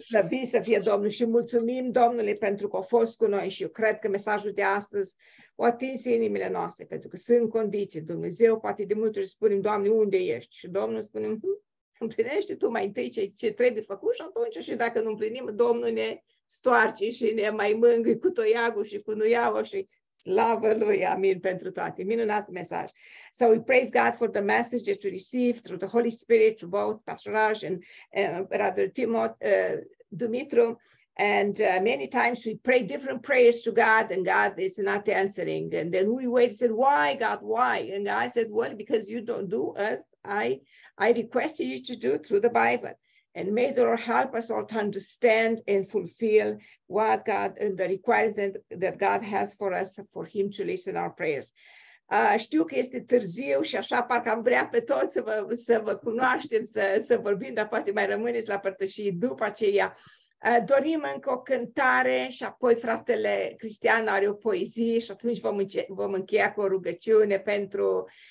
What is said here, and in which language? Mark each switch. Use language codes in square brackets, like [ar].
[ro] Să vii să fie Domnul și mulțumim Domnului pentru că a fost cu noi și eu cred că mesajul de astăzi o atins inimile noastre, pentru că sunt condiții, Dumnezeu poate de multe ori spune, Doamne, unde ești? Și Domnul spune, împlinește tu mai întâi ce trebuie făcut și atunci și dacă nu împlinim, Domnul ne stoarce și ne mai mângâi cu toiagul și cu nuiaua și slavă Lui, amin, pentru toate. Minunat mesaj. [en] So we praise God for the message that you received through the Holy Spirit, through both Pastor Raj and Brother Dumitru. And many times we pray different prayers to God and God is not answering. And then we wait and said, why, God, why? And I said, well, because you don't do as I requested you to do through the Bible. And may the Lord help us all to understand and fulfill what God and the requirements that God has for us, for him to listen our prayers. [ro] Știu că este târziu și așa parcă am vrea pe toți să vă cunoaștem, să vorbim, dar poate mai rămâneți la părtășie după aceea. Dorim încă o cântare și apoi fratele Cristian are o poezie și atunci vom încheia cu o rugăciune pentru...